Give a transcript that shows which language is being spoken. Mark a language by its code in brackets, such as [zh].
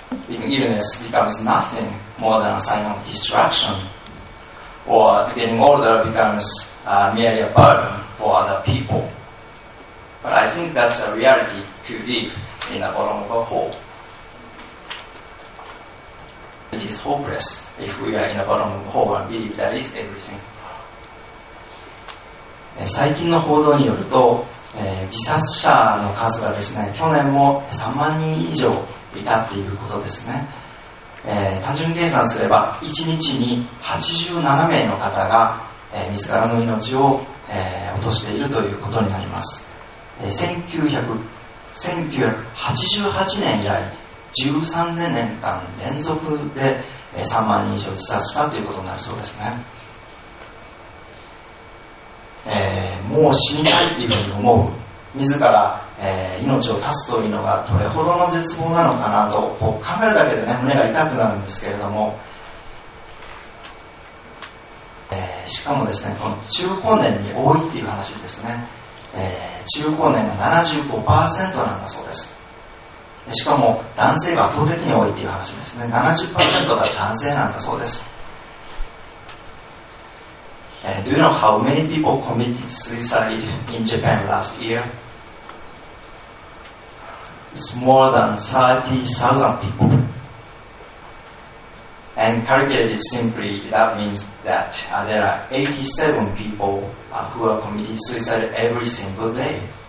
[en] Illness becomes nothing more than a sign of destruction, or getting older becomes merely a burden for other people. But I think that's a reality to live in the bottom of a hole. It is hopeless if we are in the bottom of a hole and believe that is everything. [ja] 最近の報道によると、自殺者の数がですね、去年も3万人以上いたということですね。単純計算すれば1日に87名の方が、自らの命を、落としているということになります。 1988年以来13年間連続で3万人以上自殺したということになるそうですね。もう死にたいというふうに思う、自ら、命を絶つというのがどれほどの絶望なのかなと、こう考えるだけで、ね、胸が痛くなるんですけれども、しかもですね、この中高年に多いという話ですね。中高年が 75% なんだそうです。しかも男性が圧倒的に多いという話ですね。 70% が男性なんだそうです。 [en] Do you know how many people committed suicide in Japan last year? It's more than 30,000 people. And calculated simply, that means that there are 87 people who are committing suicide every single day.